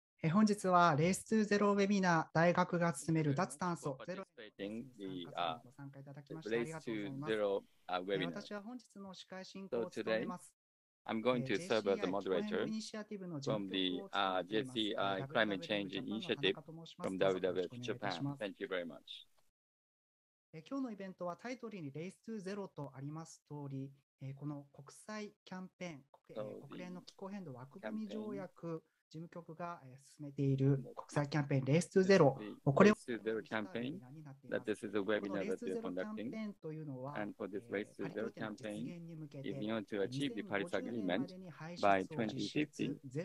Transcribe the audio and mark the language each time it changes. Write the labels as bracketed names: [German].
[Japanese] 本日はレース2ゼロウェビナー大学が進める脱炭素ゼロへのご参加いただきましてありがとうございます。私は本日の司会進行を務めます。 [English] I'm going to serve as the moderator from the JCI Climate Change Initiative from WWF Japan. Thank you very much. [Japanese] 今日のイベントはタイトルにレース2ゼロとあります通り、この国際キャンペーン、国連の気候変動枠組み条約事務局が進めている国際キャンペーンレース2ゼロ、これをレース2ゼロキャンペーン、 [English] that this is a webinar that we're conducting, and for this race to zero campaign, if you want to achieve the Paris Agreement by 2050,